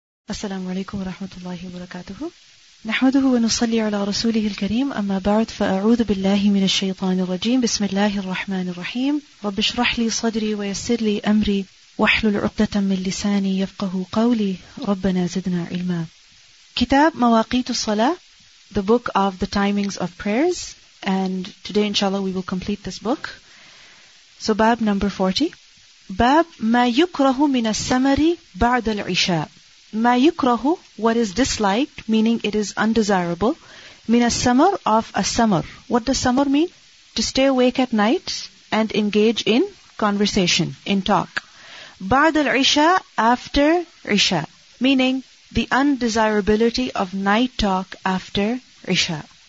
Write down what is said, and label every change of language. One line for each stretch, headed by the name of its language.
Arabic: السلام عليكم ورحمة الله وبركاته. نحمده ونصلي على رسوله الكريم، أما بعد، فأعوذ بالله من الشيطان الرجيم. بسم الله الرحمن الرحيم. رب اشرح لي صدري ويسر لي أمري واحلل عقدة من لساني يفقه قولي، ربنا زدنا علما. كتاب مواقيت الصلاة،
English: The Book of the Timings of Prayers. And today inshallah we will complete this book. So bab number 40.
Arabic: باب ما يكره من السمر بعد العشاء. ما يكره,
English: what is disliked, meaning it is undesirable.
Arabic: من السمر,
English: of a summer. What does summer mean? To stay awake at night and engage in conversation, in talk.
Arabic: بعد العشاء,
English: after عشاء. Meaning the undesirability of night talk after عشاء.